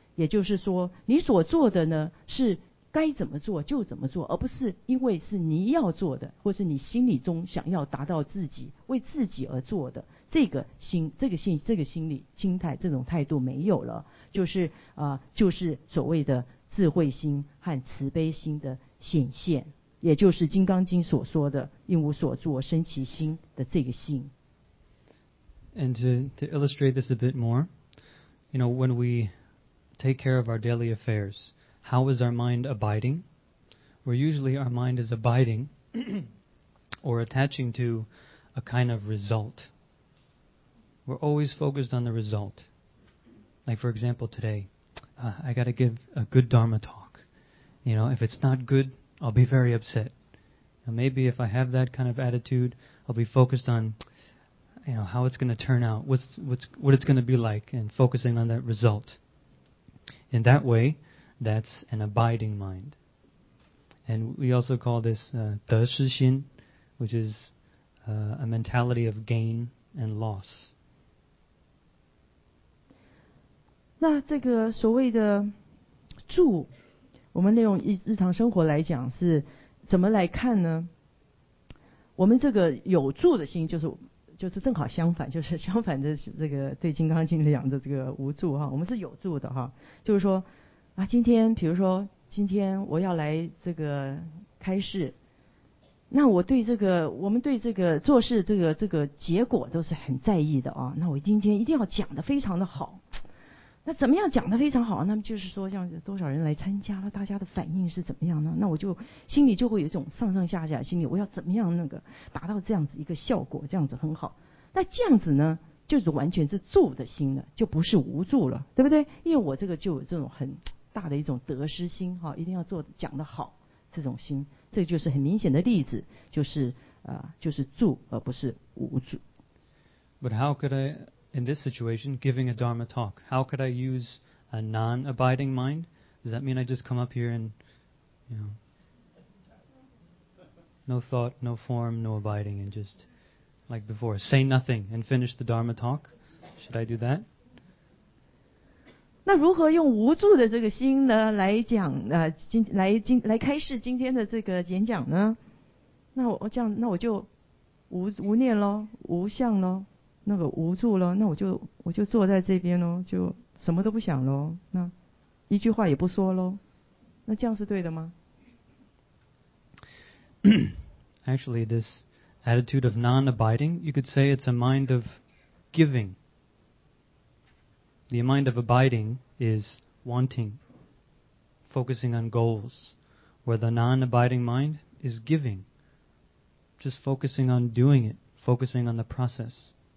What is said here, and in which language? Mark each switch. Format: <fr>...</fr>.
<zh>也就是说，你所做的呢是该怎么做就怎么做，而不是因为是你要做的，或是你心里中想要达到自己为自己而做的这个心理心态，这种态度没有了，就是所谓的智慧心和慈悲心的显现，也就是《金刚经》所说的“应无所住，生其心”的这个心。</zh> <en>And to illustrate this a bit more, you know, when we take care of our daily affairs, how is our mind abiding? Well, usually our mind is abiding or attaching to a kind of result. We're always focused on the result. Like, for example, today, I got to give a good Dharma talk. You know, if it's not good, I'll be very upset. And maybe if I have that kind of attitude, I'll be focused on, you know, how it's going to turn out, what it's going to be like, and focusing on that result. In that way, that's an abiding mind. And we also call this 得失心, which is a mentality of gain and loss.</en> <zh>那这个所谓的住，我们用日常生活来讲是怎么来看呢？我们这个有住的心就是正好相反，就是相反的这个对《金刚经》讲的这个无住哈，我们是有住的哈。就是说啊，今天比如说今天我要来这个开示，那我们对这个做事这个结果都是很在意的啊。那我今天一定要讲得非常的好。那怎么样讲得非常好？那么就是说，像多少人来参加了，大家的反应是怎么样呢？那我就心里就会有一种上上下下心理，我要怎么样那个达到这样子一个效果，这样子很好。那这样子呢，就是完全是住的心了，就不是无住了，对不对？因为我这个就有这种很大的一种得失心哈，一定要做讲得好这种心，这就是很明显的例子，就是住而不是无住。</zh> <en>But how could I? In this situation, giving a Dharma talk, how could I use a non-abiding mind? Does that mean I just come up here and, you know, no thought, no form, no abiding, and just, like before, say nothing and finish the Dharma talk? Should I do that?</en> <zh>那如何用无住的这个心呢，来讲，来开示今天的这个演讲呢？那我这样，那我就无念咯，无相咯，那个无助了，那我就坐在这边咯，就什么都不想咯，那一句话也不说咯，那这样是对的吗？</zh> <en>Actually, this attitude of non-abiding, you could say it's a mind of giving. The mind of abiding is wanting, focusing on goals, where the non-abiding mind is giving, just focusing on doing it, focusing on the process.</en>